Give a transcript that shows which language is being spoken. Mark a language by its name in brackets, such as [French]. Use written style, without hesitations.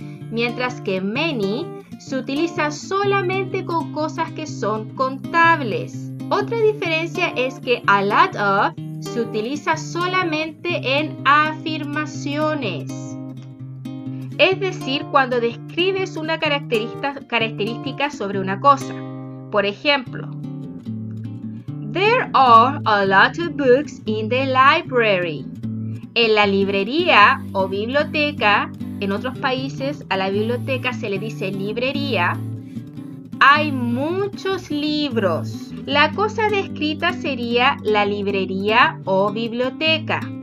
[Spanish] Mientras que many se utiliza solamente con cosas que son contables. Otra diferencia es que a lot of se utiliza solamente en afirmaciones. Es decir, cuando describes una característica sobre una cosa. Por ejemplo, [English] There are a lot of books in the library. [Spanish] En la librería o biblioteca, en otros países a la biblioteca se le dice librería, hay muchos libros. La cosa descrita sería la librería o biblioteca.